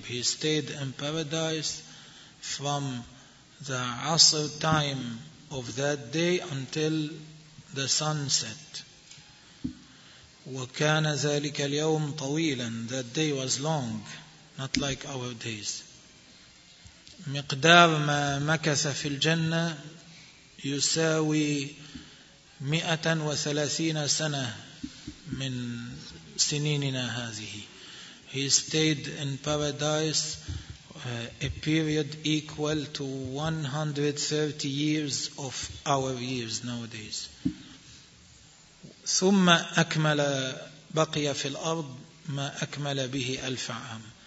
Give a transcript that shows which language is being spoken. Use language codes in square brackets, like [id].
[en] He stayed in paradise from the عصر time of that day until the sunset. [ar] وكان ذلك اليوم طويلا. [en] That day was long, not like our days. [ar] مقدار ما مكث في الجنة يساوي 130 سنة من سنيننا هذه. [en] He stayed in paradise a period equal to 130 years of our years nowadays. [ar] ثم أكمل بقي في الأرض ما أكمل به ألف عام.